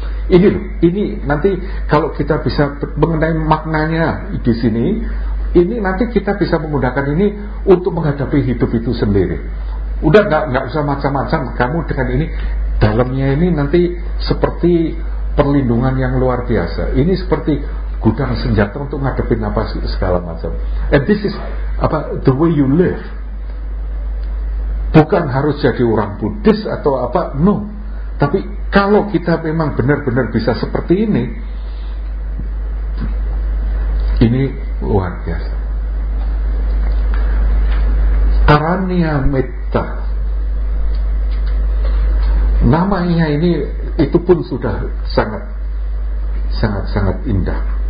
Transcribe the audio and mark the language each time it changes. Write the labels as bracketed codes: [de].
[id] Ini nanti kalau kita bisa mengenai maknanya di sini, ini nanti kita bisa menggunakan ini untuk menghadapi hidup itu sendiri. udah nggak usah macam-macam, kamu dengan ini dalamnya ini nanti seperti perlindungan yang luar biasa, ini seperti gudang senjata untuk ngadepin apa segala macam. [en] And this is apa the way you live. [id] Bukan harus jadi orang Buddhis atau apa, no. Tapi kalau kita memang benar-benar bisa seperti ini luar biasa. Karania Metta, namanya ini itu pun sudah sangat sangat sangat indah.